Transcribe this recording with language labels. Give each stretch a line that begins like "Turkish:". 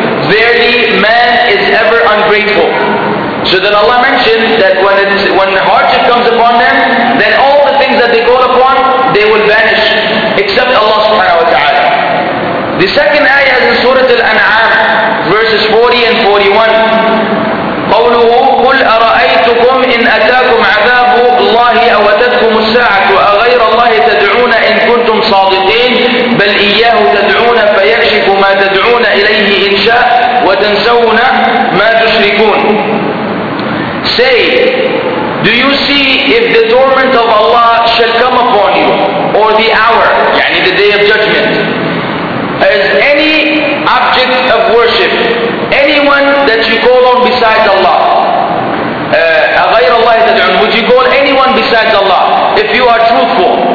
English: Verily, man is ever ungrateful. So then Allah mentioned that when the hardship comes upon them, then all the things that they call upon, they will vanish. Except Allah subhanahu wa ta'ala. The second ayah is in Surah Al-An'am, verses 40 and 41.
Arabic: قوله قل أرأيتكم إن أتاكم عذاب الله أو أتتكم الساعة أغير الله تدعون إن كنتم صادقين بل إياه تدعون فيكشف ما تدعون إليه إن شاء وتنسون ما تشركون.
English: Say, do you see if the torment of Allah shall come upon you, or the hour, يعني the day of judgment, as any object of worship, anyone that you call on besides Allah,
Arabic: أَغَيْرَ اللَّهِ تَدْعُونَ,
English: would you call anyone besides Allah, if you are truthful?